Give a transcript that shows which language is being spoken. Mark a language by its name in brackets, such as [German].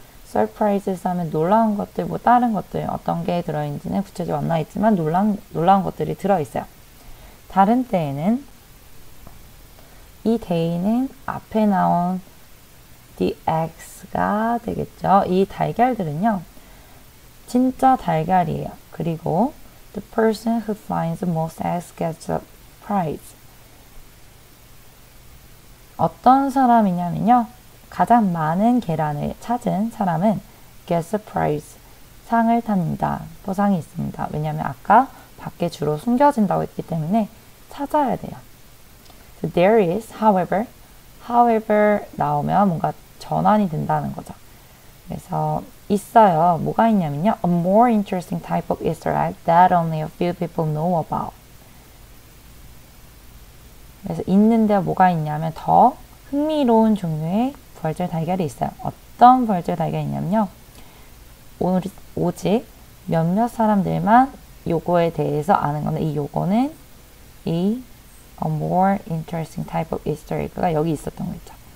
[Korean] surprises 하면 놀라운 것들, 뭐 다른 것들, 어떤 게 들어있는지는 구체적으로 안 나와있지만 놀라운 것들이 들어있어요. 다른 때에는 이 데이는 앞에 나온 the eggs가 되겠죠. 이 달걀들은요, 진짜 달걀이에요. 그리고 [English] the person who finds the most eggs gets a prize. [Korean] 어떤 사람이냐면요, 가장 많은 계란을 찾은 사람은 [English] gets a prize, [Korean] 상을 탑니다. 보상이 있습니다. 왜냐하면 아까 밖에 주로 숨겨진다고 했기 때문에 찾아야 돼요. [English] So there is, [Korean] however 나오면 뭔가 전환이 된다는 거죠. 그래서 있어요. 뭐가 있냐면요. [English] A more interesting type of Easter egg that only a few people know about. [Korean] 그래서 있는데 뭐가 있냐면 더 흥미로운 종류의 부활절 달걀이 있어요. 어떤 부활절 달걀이냐면요. 오직 몇몇 사람들만 요거에 대해서 아는 건데 이 요거는 이 [English] A more interesting type of Easter egg [Korean] 가 여기 있었던 거 있죠.